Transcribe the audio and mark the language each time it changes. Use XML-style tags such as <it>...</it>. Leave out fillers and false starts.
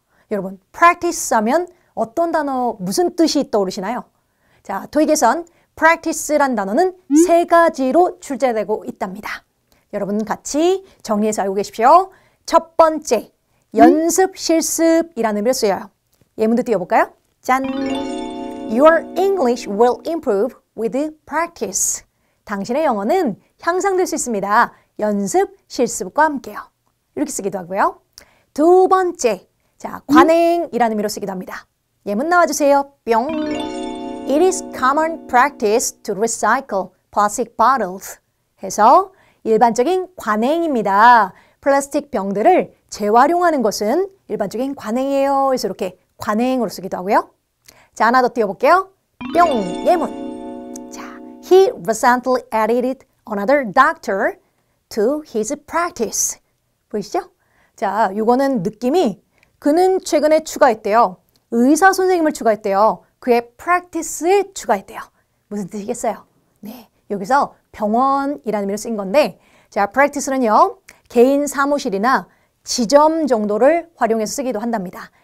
<ko>여러분, practice 하면 어떤 단어, 무슨 뜻이 떠오르시나요? 자, 토익에선 practice란 단어는 세 가지로 출제되고 있답니다. 여러분, 같이 정리해서 알고 계십시오. 첫 번째, 연습, 실습이라는 의미로 쓰여요. 예문도 띄워볼까요? 짠!</ko> <en>Your English will improve with practice.</en> <ko>당신의 영어는 향상될 수 있습니다. 연습, 실습과 함께요. 이렇게 쓰기도 하고요. 두 번째, 자, 관행이라는 의미로 쓰기도 합니다. 예문 나와주세요. 뿅!</ko> <en>It is common practice to recycle plastic bottles.</en> <ko>해서 일반적인 관행입니다. 플라스틱 병들을 재활용하는 것은 일반적인 관행이에요. 그래서 이렇게 관행으로 쓰기도 하고요. 자, 하나 더 띄워볼게요. 뿅! 예문.</ko> <en>자, He recently added another doctor to his practice.</en> <ko>보이시죠? 자, 이거는 느낌이 그는 최근에 추가했대요. 의사 선생님을 추가했대요. 그의 practice에 추가했대요. 무슨 뜻이겠어요? 네, 여기서 병원이라는 의미로 쓴 건데, 자, practice는요, 개인 사무실이나 지점 정도를 활용해서 쓰기도 한답니다.</ko>